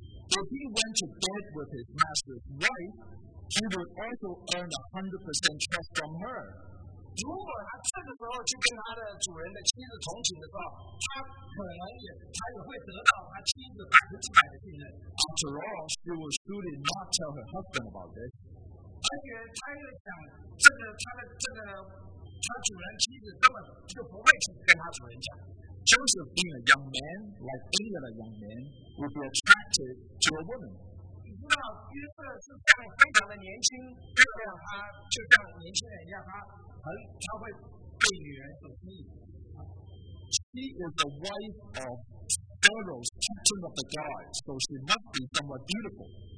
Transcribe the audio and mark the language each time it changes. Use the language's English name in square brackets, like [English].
[English] If he went to bed with his master's wife, he would also earn 100% trust from her. [Chinese] 如果他这个时候去跟他的主人的妻子同寝的时候，他可能也会得到他妻子100%的信任。而且他主人妻子根本就不会去跟他主人讲。 [English] Joseph being a young man, like any other young man, would be attracted to a woman. [Chinese] 你知道约瑟是非常的年轻，就像他，就像年轻人一样，他。 [English] She is the wife of Pharaoh's captain of the guards, so she must be somewhat beautiful.